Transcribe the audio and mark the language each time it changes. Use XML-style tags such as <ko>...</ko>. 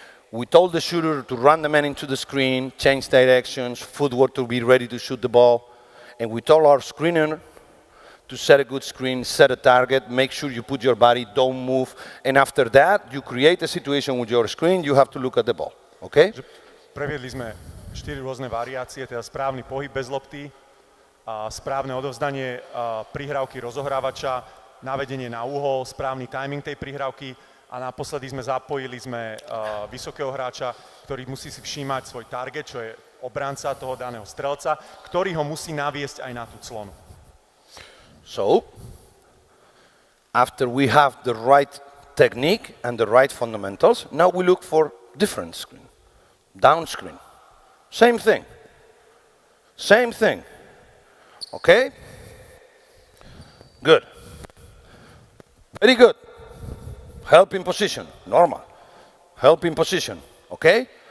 <en>We told the shooter to run the man into the screen, change directions, footwork to be ready to shoot the ball, and we told our screener to set a good screen, set a target, make sure you put your body, don't move, and after that, you create a situation with your screen, you have to look at the ball, okay?</en> <sk>Previedli sme 4 rôzne variácie, teda správny pohyb bez lopty, a správne odovzdanie prihrávky rozohrávača, navedenie na uhol, správny timing tej prihrávky a naposledy zapojili sme vysokého hráča, ktorý musí si všímať svoj target, čo je obranca toho daného strelca, ktorý ho musí naviesť aj na tú clonu.</sk> <en>So, after we have the right technique and the right fundamentals, now we look for different screen, down screen. Same thing. Same thing. Okay? Good. Very good. Help in position. Normal. Help in position. Okay?</en>